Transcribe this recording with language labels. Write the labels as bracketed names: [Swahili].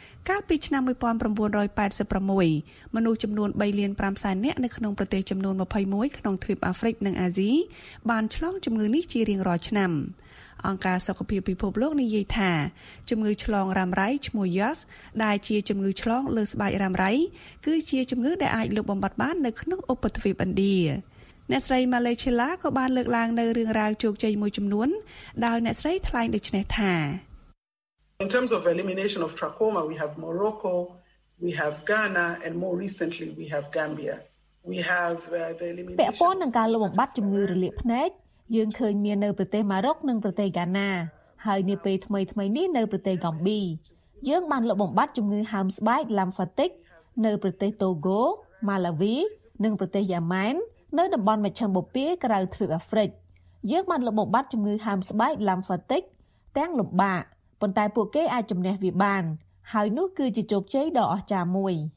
[Khmer] កាលពីឆ្នាំ1986មនុស្សចំនួន 3.5 លាននាក់នៅក្នុងប្រទេសចំនួន21ក្នុងទ្វីបអាហ្វ្រិកនិងអាស៊ីបានឆ្លងជំងឺនេះជារៀងរាល់ឆ្នាំអង្គការសុខភាពពិភពលោកនិយាយថាជំងឺឆ្លងរ៉ាំរ៉ៃឈ្មោះ YAS ដែលជាជំងឺឆ្លងលើស្បែករ៉ាំរ៉ៃគឺជាជំងឺដែលអាចលុបបំបាត់បាននៅក្នុងឧបទ្វីបឥណ្ឌាអ្នកស្រី Malechela ក៏បានលើកឡើងនៅរឿងរ៉ាវជោគជ័យមួយចំនួនដោយអ្នកស្រីថ្លែងដូចនេះថា [English] In terms of elimination of trachoma, we have Morocco, we have Ghana, and more recently we have Gambia. We have the elimination. [Khmer] ពេលពលនឹងការលុបបំបាត់ជំងឺរលាកភ្នែកយើងឃើញមាននៅប្រទេសម៉ារ៉ុកនិងប្រទេសហ្គាណាហើយនៅពេលថ្មីៗនេះនៅប្រទេសកម្ពុជាយើងបានលុបបំបាត់ជំងឺហើមស្បែក lymphatic នៅប្រទេសតូហ្គោម៉ាឡាវីនិងប្រទេសយ៉ាម៉ែននៅតំបន់មជ្ឈិមបូព៌ាក្រៅទ្វីបអាហ្វ្រិកយើងបានលុបបំបាត់ជំងឺហើមស្បែក lymphatic ទាំងលំបាកប៉ុន្តែពួកគេអាចជំនះវាបានហើយនោះគឺជាជោគជ័យដ៏អស្ចារ្យមួយ